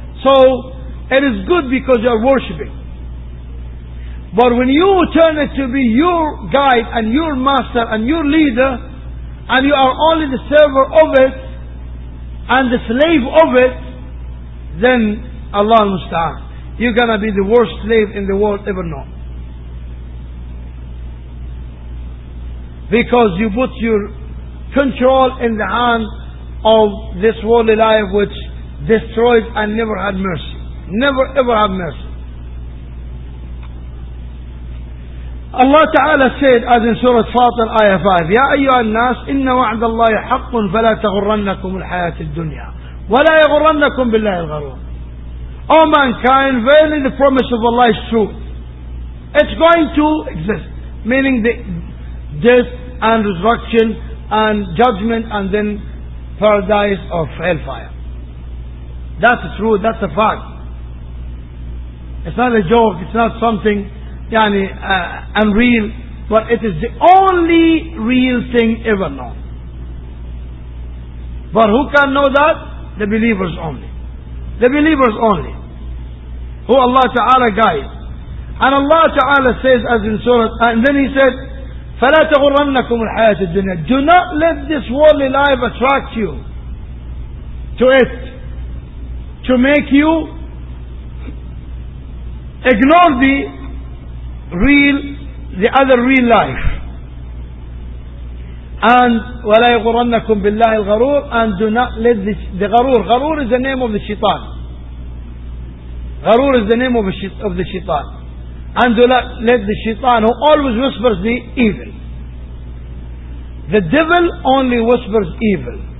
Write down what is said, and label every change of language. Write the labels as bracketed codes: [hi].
[en] So, it is good because you're worshipping. But when you turn it to be your guide and your master and your leader, and you are only the server of it, and the slave of it, then Allah musta'an, you're going to be the worst slave in the world ever known. Because you put your control in the hand of this worldly life which destroyed and never had mercy. Never ever had mercy. Allah Ta'ala said, as in Surah Fatir, Ayah 5, [ar] يَا أَيُّهَا النَّاسِ إِنَّ وَعْدَ اللَّهِ حَقٌّ فَلَا تَغُرَّنَّكُمُ الْحَيَاةِ الدُّنْيَا وَلَا يَغُرَّنَّكُمْ بِاللَّهِ الْغَرُورِ. [en] O mankind, verily the promise of Allah is true. It's going to exist. Meaning the death and resurrection and judgment and then paradise or hellfire. That's true, that's a fact. It's not a joke, it's not something unreal, but it is the only real thing ever known. But who can know that? The believers only. The believers only. Who Allah Ta'ala guides. And Allah Ta'ala says, as in Surah, and then He said, [ar] فَلَا تَغُرَّنَّكُمُ الْحَيَاةِ الدُّنْيَا. [en] Do not let this worldly life attract you to it, to make you ignore the real, the other real life. And [ar] وَلَا يَغُرَّنَّكُمْ بِاللَّهِ الْغَرُورِ. [en] And do not let the غَرُور. غَرُور is the name of the shaitan. غَرُور is the name of the shaitan. And do not let the shaitan, who always whispers the evil. The devil only whispers evil.